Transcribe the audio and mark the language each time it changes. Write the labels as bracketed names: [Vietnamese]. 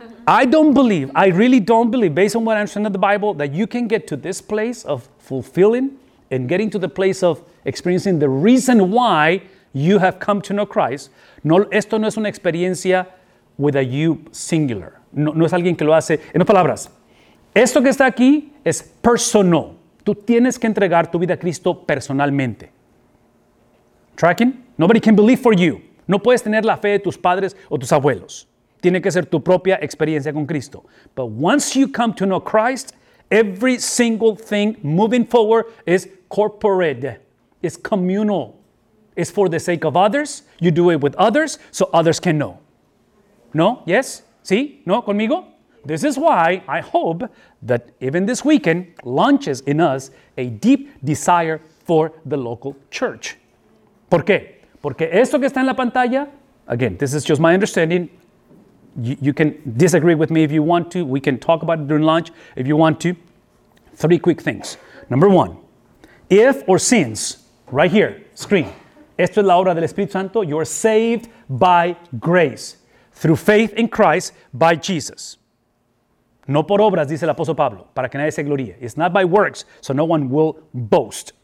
[English] I really don't believe, based on what I understand of the Bible, that you can get to this place of fulfilling and getting to the place of experiencing the reason why you have come to know Christ. [Spanish] No, esto no es una experiencia [English] with a you singular. [Spanish] No es alguien que lo hace. En otras palabras, esto que está aquí es personal. Tú tienes que entregar tu vida a Cristo personalmente. [English] Tracking? Nobody can believe for you. [Spanish] No puedes tener la fe de tus padres o tus abuelos. Tiene que ser tu propia experiencia con Cristo. [English] But once you come to know Christ, every single thing moving forward is corporate. It's communal. It's for the sake of others. You do it with others so others can know. [Spanish] No? [English] Yes? [Spanish] ¿Sí? ¿No? ¿Conmigo? [English] This is why I hope that even this weekend launches in us a deep desire for the local church. [Spanish] ¿Por qué? Porque esto que está en la pantalla, [English] again, this is just my understanding. You can disagree with me if you want to. We can talk about it during lunch if you want to. Three quick things. Number one, if or since, right here, screen. [Spanish] Esto es la obra del Espíritu Santo. [English] You are saved by grace through faith in Christ by Jesus. [Spanish] No por obras, dice el apóstol Pablo, para que nadie se gloríe. [English] It's not by works, so no one will boast.